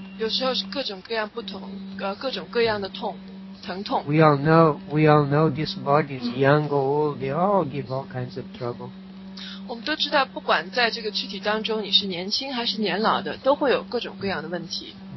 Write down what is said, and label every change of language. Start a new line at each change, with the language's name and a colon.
Chinese: 有时候是各种各样不同，各种各样的痛。
English: We all know these bodies, young or old, they all give all kinds of trouble.
Chinese: 我们都知道，不管在这个躯体当中，你是年轻还是年老的，都会有各种各样的问题。